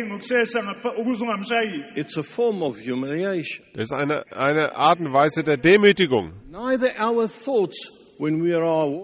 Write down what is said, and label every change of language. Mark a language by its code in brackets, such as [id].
[en] It's a form of humiliation. [de] Das ist eine Art und Weise der Demütigung. [en] Neither our thoughts when we are